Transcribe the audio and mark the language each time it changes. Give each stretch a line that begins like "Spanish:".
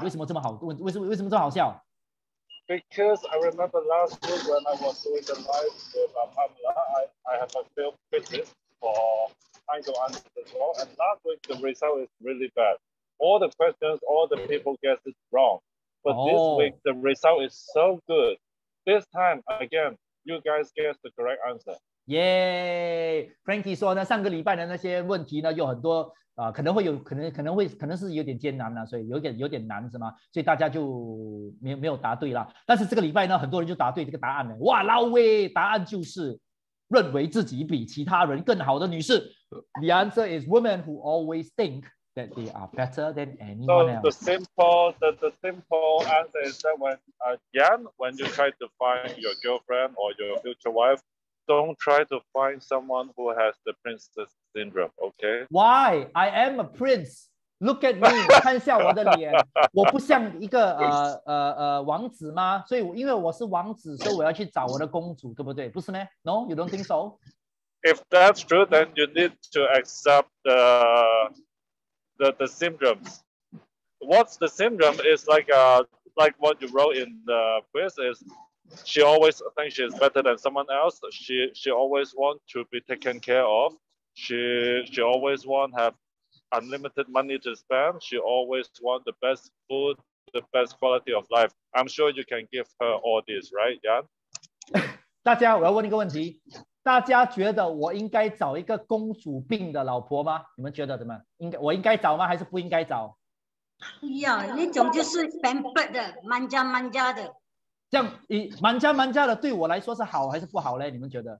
Chinese: 为什么这么好？为什么这么好笑？
English: Because I remember last week when I was doing the live with Pamela, I have a few pitches for trying to answer as well. And last week, the result is really bad. All the questions, all the people guessed it wrong. But this week, the result is so good. This time, again, you guys guessed the correct answer. 耶、yeah!
Chinese: ，Frankie 说呢，上个礼拜的那些问题呢，有很多可能会有，可能是有点艰难了，所以有点难是吗？所以大家就没有答对了。但是这个礼拜呢，很多人就答对这个答案了。哇，老威，答案就是认为自己比其他人更好的女士。
English: The answer is women who always think that they are better than anyone else. So the simple answer is that when you try to find your girlfriend or your future wife. Don't try to find someone who has the princess syndrome, okay? Why? I am a prince. Look at me.
Chinese: 看一下我的脸，我不像一个王子吗？所以因为我是王子，所以我要去找我的公主，对不对？不是吗？
English: No, you don't think so? If that's true, then you need to accept the syndromes. What's the syndrome? It's like what you wrote in the quiz is. She always thinks she's better than someone else. She always wants to be taken care of. She always wants to have unlimited money to spend. She always wants the best food, the best quality of life. I'm sure you can give her all this, right, Jan?
Chinese: 大家，我要问一个问题。大家觉得我应该找一个公主病的老婆吗？你们觉得怎么？我应该找吗？还是不应该找？呀，那种就是 pampered 的，蛮家蛮家的。这样，蛮家蛮家的对我来说是好还是不好呢？你们觉得？